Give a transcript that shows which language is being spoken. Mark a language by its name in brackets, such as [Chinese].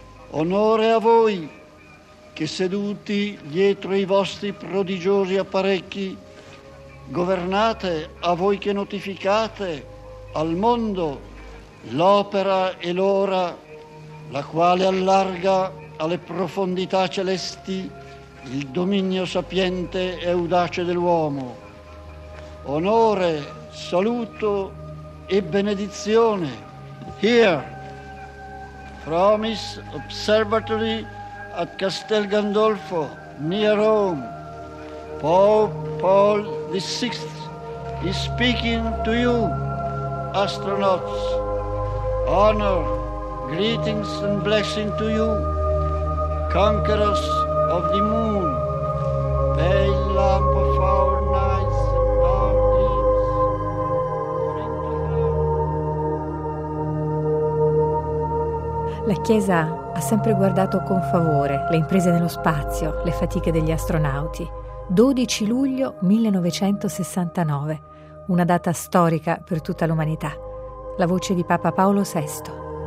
[Italian] Onore a voi che, seduti dietro i vostri prodigiosi apparecchi, governate, a voi che notificate al mondo l'opera e l'ora, la quale allarga alle profondità celesti il dominio sapiente e audace dell'uomo. Onore, saluto e benedizione. [English] Here, from his observatory at Castel Gandolfo, near Rome, Pope Paul VI is speaking to you, astronauts. Honor, greetings and blessing to you, conquerors of the moon, pale lamp of our nights and our dreams. [Italian] La Chiesa ha sempre guardato con favore le imprese nello spazio, le fatiche degli astronauti. 12 luglio 1969, una data storica per tutta l'umanità. La voce di Papa Paolo VI.